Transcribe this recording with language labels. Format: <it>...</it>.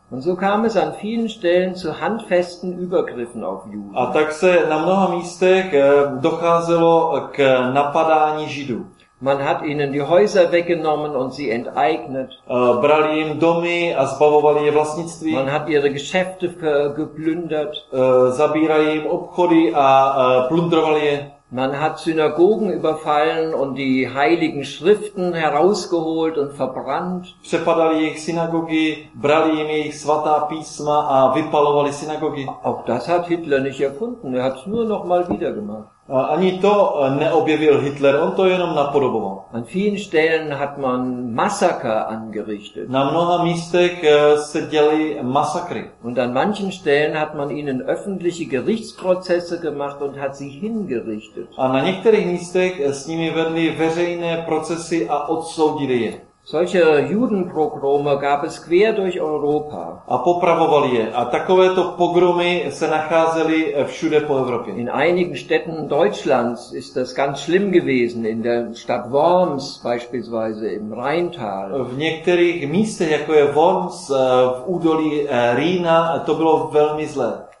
<de>Und so kam es an vielen Stellen zu handfesten Übergriffen auf Juden.</de> <cs>A tak se na mnoha místech docházelo k napadání Židů.</cs> <de>Man hat ihnen die Häuser weggenommen und sie enteignet.</de> <cs>Brali jim domy a zbavovali je vlastnictví.</cs> <de>Man hat ihre Geschäfte geplündert.</de> <cs>Zabírali jim obchody a plundrovali je.</cs> <de>Man hat Synagogen überfallen und die heiligen Schriften herausgeholt und verbrannt.</de> <cs>Přepadali jejich synagogy, brali jim jejich svatá písma a vypalovali synagogy.</cs> <de>Auch das hat Hitler nicht erfunden, er hat es nur noch mal wieder gemacht.</de> <cs>Ani to neobjevil Hitler, on to jenom napodoboval.</cs> <de>An vielen Stellen hat man Massaker angerichtet.</de> <cs>Na mnoha místech se děly masakry.</cs> <de>Und an manchen Stellen hat man ihnen öffentliche Gerichtsprozesse gemacht und hat sie hingerichtet.</de> <cs>A na některých místech s nimi vedli veřejné procesy a odsoudili je.</cs> <de>Solche Judenpogrome gab es quer durch Europa.</de> <cs>A popravovali je. A takovéto pogromy se nacházely všude po Evropě.</cs> <de>In einigen Städten Deutschlands ist das ganz schlimm gewesen, in der Stadt Worms beispielsweise im Rheintal.</de> <cs>V některých místech, jako je Worms, v údolí Rýna, to bylo velmi zlé.</cs>